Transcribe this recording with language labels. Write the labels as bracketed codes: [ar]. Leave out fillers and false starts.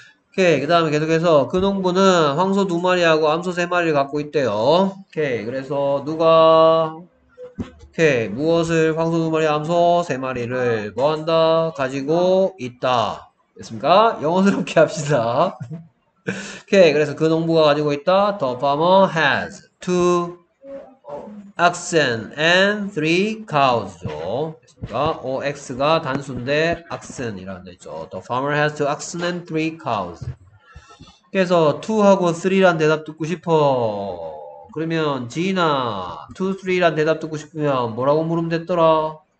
[ko] 오케이, 그 다음에 계속해서 그 농부는 황소 두 마리하고 암소 세 마리를 갖고 있대요. 오케이, 그래서 누가 오케이, 무엇을 황소 두 마리 암소 세 마리를 뭐 한다? 가지고 있다. 됐습니까? 영어스럽게 합시다. 오케이, 그래서 그 농부가 가지고 있다. [en] The farmer has two oxen and three cows죠. [ko] 어, X가 단수인데 oxen이라는 데 있죠. [en] The farmer has two oxen and three cows. [ko] 그래서 2하고 3란 대답 듣고 싶어. 그러면 지인아, 2, 3란 대답 듣고 싶으면 뭐라고 물으면 됐더라?